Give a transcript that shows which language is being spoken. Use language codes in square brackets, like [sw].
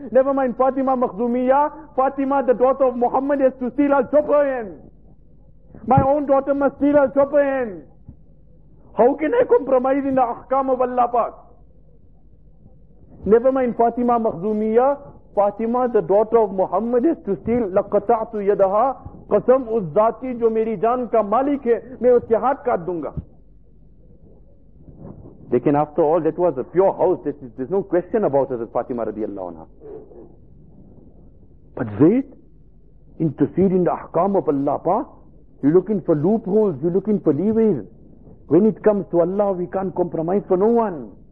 [en] Never mind Fatima Makhzumiya. Fatima, the daughter of Muhammad, has to steal, I'll chop her hand. My own daughter must steal, I'll chop her hand. How can I compromise in the ahkam of Allah Pak? Never mind Fatima Makhzumiya. Fatima, the daughter of Muhammad, is to steal. [ar] لَقَطَعْتُ يَدَهَا. [ur] قَسَمْ اُس ذَاتِ جو میری جان کا مالک ہے میں اُس کے ہاتھ کاٹ دوں گا. [en] لیکن after all, that was a pure house. There's no question about it, Fatima رضی اللہ عنہ. But Zayd, intercede in the ahkam of Allah Pa. You're looking for loopholes, you're looking for leeways. When it comes to Allah, we can't compromise for no one.